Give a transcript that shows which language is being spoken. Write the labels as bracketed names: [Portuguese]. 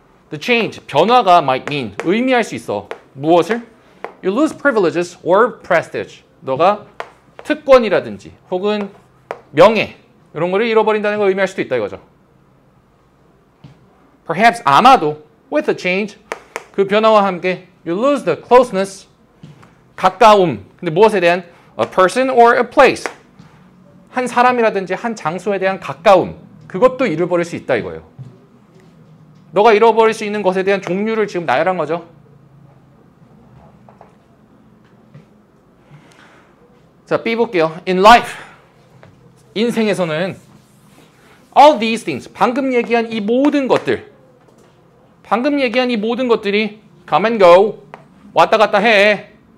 [English] The change, [Korean] 변화가 [English] might mean, [Korean] 의미할 수 있어. 무엇을? [English] You lose privileges or prestige. [Korean] 너가 특권이라든지 혹은 명예 이런 거를 잃어버린다는 걸 의미할 수도 있다 이거죠. [English] Perhaps [Korean] 아마도 [English] with the change, [Korean] 그 변화와 함께 [English] you lose the closeness, [Korean] 가까움. 근데 무엇에 대한? [English] A person or a place. [Korean] 한 사람이라든지 한 장소에 대한 가까움. 그것도 잃어버릴 수 있다 이거예요. 너가 잃어버릴 수 있는 것에 대한 종류를 지금 나열한 거죠. 자, B 볼게요. [English] In life, [Korean] 인생에서는 [English] all these things, [Korean] 방금 얘기한 이 모든 것들, 방금 얘기한 이 모든 것들이 [English] come and go, [Korean] 왔다 갔다 해.